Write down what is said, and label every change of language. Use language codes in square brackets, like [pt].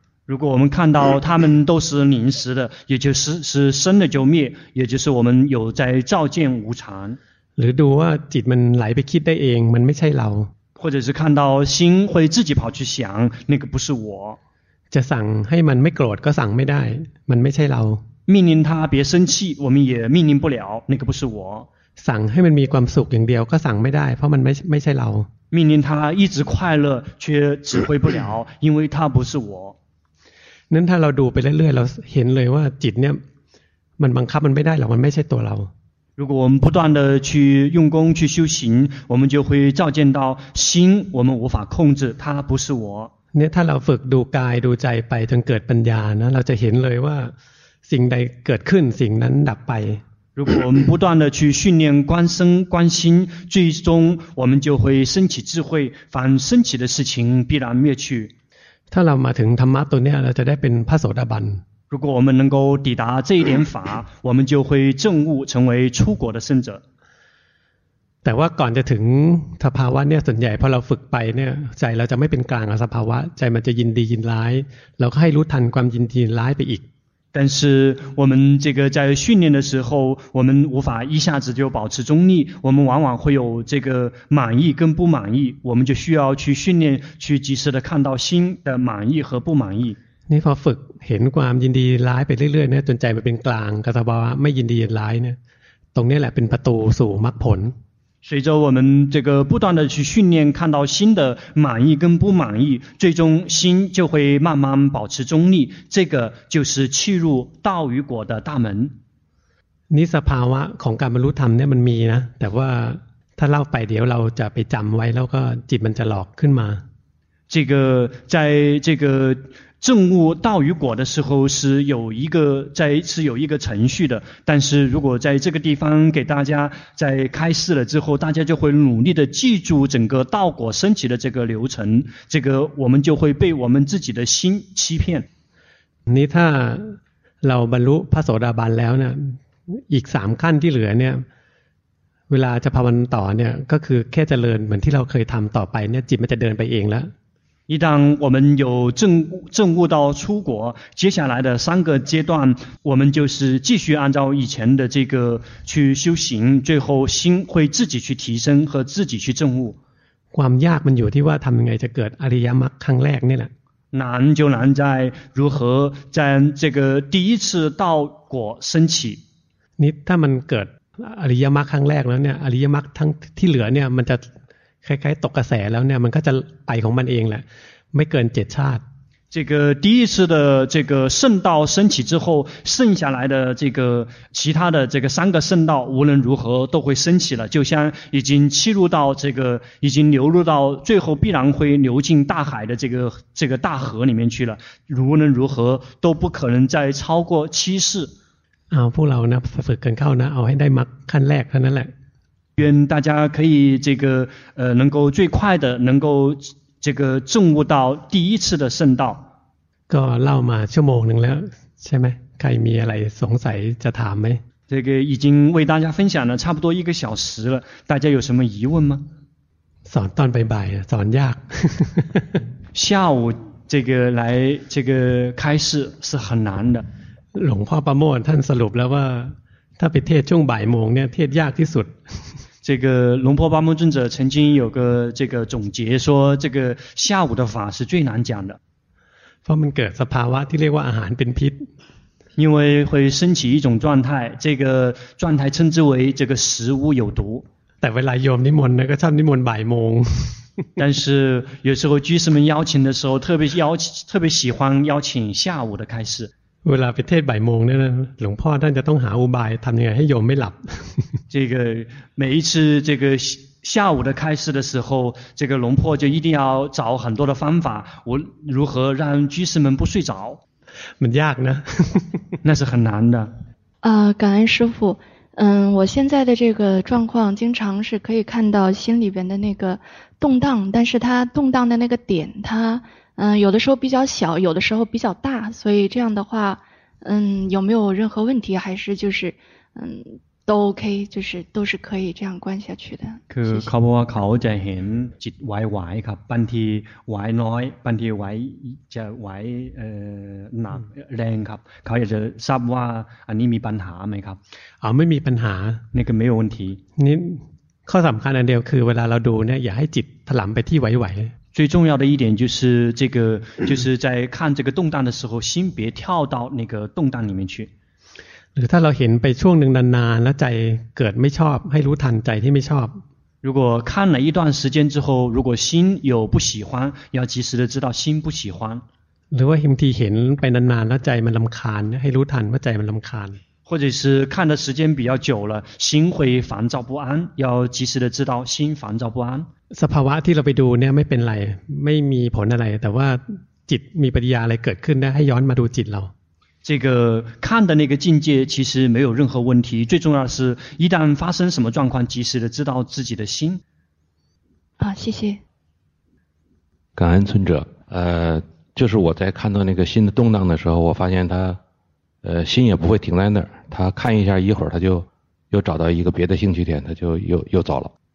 [zh] 如果我们看到他们都是临时的也就是是生了就灭也就是我们有在照见无常 [th] หรือดูว่าจิตมันไหลไปคิดได้เองมันไม่ใช่เรา [zh] 或者是看到心会自己跑去想那个不是我 [th] จะสั่งให้มันไม่โกรธก็สั่งไม่ได้มันไม่ใช่เรา [zh] 命令他别生气我们也命令不了那个不是我 [th] สั่งให้มันมีความสุขอย่างเดียวก็สั่งไม่ได้เพราะมันไม่ใช่เรา [zh] 命令他一直快乐却指挥不了因为他不是我 [th] นั้นถ้าเราดูไปเรื่อยๆเราเห็นเลยว่าจิตเนี่ยมันบังคับมันไม่ได้หรอกมันไม่ใช่ตัวเรา [zh] 如果我们不断的去用功去修行我们就会照见到心我们无法控制它不是我 [th] เนี่ยถ้าเราฝึกดูกายดูใจไปจนเกิดปัญญานะเราจะเห็นเลยว่าสิ่งใดเกิดขึ้นสิ่งนั้นดับไป [zh] 如果我们不断的去训练观身观心最终我们就会升起智慧凡升起的事情必然灭去 [th] ถ้าเรามาถึงธรรมะตัวนี้เราจะได้เป็นพระโสดาบัน [zh] 如果我们能够抵达这一点法我们就会证悟成为出果的圣者 [th] แต่ว่าก่อนจะถึงสภาวะเนี่ยส่วนใหญ่พอเราฝึกไปเนี่ยใจเราจะไม่เป็นกลางกับสภาวะใจมันจะยินดียินร้ายเราก็ให้รู้ทันความยินดียินร้ายไปอีก [zh] 但是我们这个在训练的时候我们无法一下子就保持中立我们往往会有这个满意跟不满意我们就需要去训练去及时的看到心的满意和不满意 [th] นี่พอฝึกเห็นความยินดียินร้ายไปเรื่อยๆเนี่ยจนใจมันเป็นกลางกับสภาวะไม่ยินดียินร้ายเนี่ยตรงนี้แหละเป็นประตูสู่มรรคผล [zh] 随着我们这个不断的去训练看到心的满意跟不满意最终心就会慢慢保持中立这个就是契入道与果的大门 [th] นิสภาวะของการบรรลุธรรมเนี่ยมันมีนะแต่ว่าถ้าเล่าไปเดี๋ยวเราจะไปจำไว้แล้วก็จิตมันจะหลอกขึ้นมา [zh] 这个在这个证悟道与果的时候是有一个在是有一个程序的但是如果在这个地方给大家在开示了之后大家就会努力的记住整个道果升起的这个流程这个我们就会被我们自己的心欺骗你 [th] ถ้าเราบรรลุพระโสดาบันแล้วเนี่ยอีกสามขั้นที่เหลือเนี่ยเวลาจะภาวนาต่อเนี่ยก็คือแค่เจริญเหมือนที่เราเคยทำต่อไปเนี่ยจิตมันจะเดินไปเองแล้ว [zh] 一旦我们有证悟到出果接下来的三个阶段我们就是继续按照以前的这个去修行最后心会自己去提升和自己去证悟 [th] ความยากมันอยู่ที่ว่าทำยังไงจะเกิดอริยมรรคครั้งแรกนี่แหละ [zh] 难就难在如何在这个第一次道果升起 [th] นี่ถ้ามันเกิดอริยมรรคครั้งแรกแล้วเนี่ยอริยมรรคทั้งที่เหลือเนี่ยมันจะคล้ายๆตกกระแสแล้วเนี่ยมันก็จะไปของมันเองแหละไม่เกินเจ็ดชาติ [zh] 这个第一次的这个圣道升起之后剩下来的这个其他的这个三个圣道无论如何都会升起了就像已经契入到这个已经流入到最后必然会流进大海的这个大河里面去了无论如何都不可能再超过七世 [th] พวกเรานะฝึกกันเข้านะเอาให้ได้มรรคขั้นแรกเท่านั้นแหละ [zh] 愿大家可以这个能够最快的能够这个证悟到第一次的圣道 [th] ก็เล่ามาชั่วโมงหนึ่งแล้วใช่ไหมใครมีอะไรสงสัยจะถามไหม [zh] 这个已经为大家分享了差不多一个小时了大家有什么疑问吗 [th] สอนตอนบ่ายๆสอนยาก [zh] 下午这个来这个开示是很难的 [th] หลวงพ่อประโมทท่านสรุปแล้วว่าถ้าไปเทศช่วงบ่ายโมงเนี่ยเทศยากที่สุด [zh] 这个龙婆巴木尊者曾经有个这个总结说这个下午的法是最难讲的方便给萨帕瓦提列瓦阿罕变批因为会升起一种状态这个状态称之为这个食物有毒 [th] แต่เวลาโยมนิมนต์นะก็ชอบนิมนต์บ่ายโมง [zh] 但是有时候居士们邀请的时候特别喜欢邀请下午的开示 [th] เวลาไปเทศบ่ายโมงเนี่ยหลวงพ่อท่านจะต้องหาอุบายทำยังไงให้โยมไม่หลับ [zh] 这个每一次这个下午的开示的时候这个龙婆就一定要找很多的方法我如何让居士们不睡着 [th] มันยากนะ [zh] 那是很难的感恩师父我现在的这个状况经常是可以看到心里边的那个动荡但是它动荡的那个点它有的时候比较小有的时候比较大所以这样的话有没有任何问题还是就是都 OK 就是都是可以这样关下去的 [th] คือเขาบอกว่าเขาจะเห็นจิตไหวๆครับบางทีไหวน้อยบางทีไหวจะไหวหนักแรงครับเขาอยากจะทราบว่าอันนี้มีปัญหาไหมครับ ไม่มีปัญหานี่ก็ไม่มีปัญหานี่ข้อสำคัญอันเดียวคือเวลาเราดูเนี่ยอย่าให้จิตถลำไปที่ไหวๆ [zh] 最重要的一点就是这个就是在看这个动荡的时候心别跳到那个动荡里面去 [th] หรือถ้าเราเห็นไปช่วงหนึ่งนานๆแล้วใจเกิดไม่ชอบให้รู้ทันใจที่ไม่ชอบ [zh] 如果看了一段时间之后如果心有不喜欢要及时的知道心不喜欢 [th] หรือว่าบางทีเห็นไปนานๆแล้วใจมันรำคาญให้รู้ทันว่าใจมันรำคาญ [zh] 或者是看的时间比较久了心会烦躁不安要及时的知道心烦躁不安 [th] สภาวะที่เราไปดูเนี่ยไม่เป็นไรไม่มีผลอะไรแต่ว่าจิตมีปฏิกิริยาอะไรเกิดขึ้นนะให้ย้อนมาดูจิตเรา [zh] 这个看的那个境界其实没有任何问题最重要的是一旦发生什么状况及时的知道自己的心啊谢谢感恩尊者就是我在看到那个心的动荡的时候我发现他心也不会停在那儿他看一下一会儿他就又找到一个别的兴趣点他就又走了